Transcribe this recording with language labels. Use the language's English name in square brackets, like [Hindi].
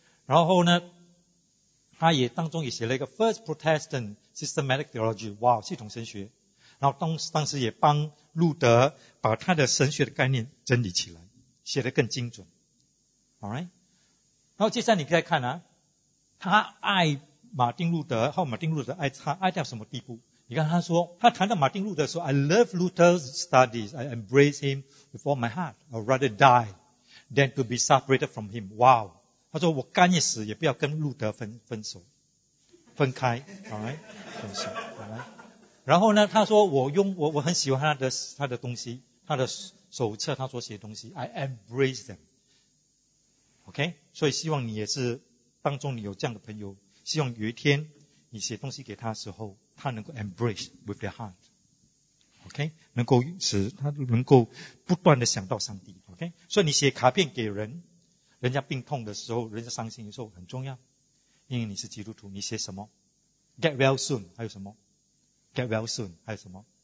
[Chinese] 然后呢，他也当中也写了一个 First Protestant Systematic Theology， 哇，系统神学。然后当时也帮路德把他的神学的概念整理起来，写得更精准 ，All right。然后接下来你再看啊，他爱马丁路德，后马丁路德爱他，爱到什么地步？ [English] 你看他说，他谈到马丁路德说，I love Luther's studies, I embrace him with all my heart, I'd rather die than to be separated from him. Wow， [Chinese] 他说我甘愿死，也不要跟路德分开 ，Alright， 分手 ，Alright。然后呢，他说我很喜欢他的东西，他的手册，他所写的东西 ， I embrace them。 OK， 所以希望你也是当中你有这样的朋友，希望有一天你写东西给他的时候，他能够 embrace with their heart， OK， 能够使他能够不断的想到上帝， OK， 所以你写卡片给人，人家病痛的时候，人家伤心的时候很重要，因为你是基督徒，你写什么 ？ Get well soon，还有什么 ？Get well soon， 还有什么？